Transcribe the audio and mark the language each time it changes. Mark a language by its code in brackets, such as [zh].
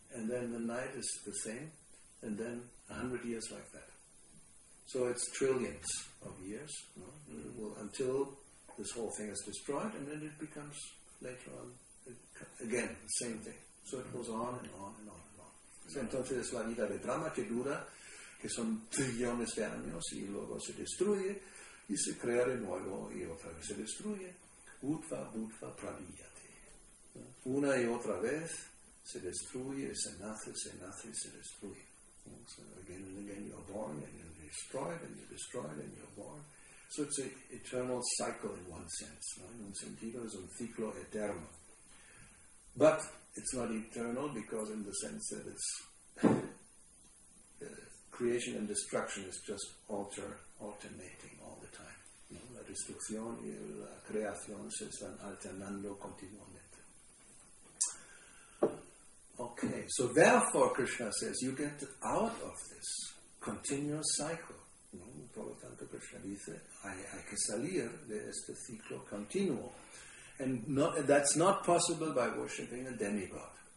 [en] And then the night is the same, and then 100 years like that. So it's trillions of years, no? Mm-hmm. Until this whole thing is destroyed, and then it becomes later on again the same thing. So it goes on and on and on and on. [es] So entonces es la vida de drama que dura, que son trillones de años, y luego se destruye y se crea de nuevo y otra vez se destruye. Utva, utva, pravillate. Una y otra vez se destruye, se nace, se destruye. [en] So again and again you're born, and you're destroyed, and you're destroyed, and you're born. So it's an eternal cycle in one sense. No? [es] In un sentido, es un ciclo eterno. [en] But it's not eternal because in the sense that it's creation and destruction is just alternating all the time. No? [es] La destrucción y la creación se están alternando continuamente. [en] Okay, so therefore, Krishna says, you get out of this continuous cycle. No? [es] Por lo tanto, Krishna dice, hay que salir de este ciclo continuo. [en] And not, that's not possible by worshipping a demigod.